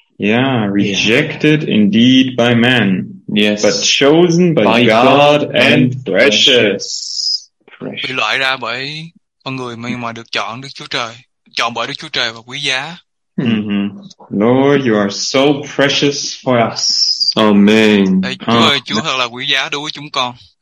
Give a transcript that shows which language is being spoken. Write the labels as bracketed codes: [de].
[en] Yeah, rejected indeed by man. Yes. But chosen by God and precious. [vi] Bị loại ra bởi con người mà được chọn Đức Chúa Trời. Chọn bởi Đức Chúa Trời và quý giá. [en] Lord, you are so precious for us. Amen. [vi] Chúa thật là quý giá đối với chúng con.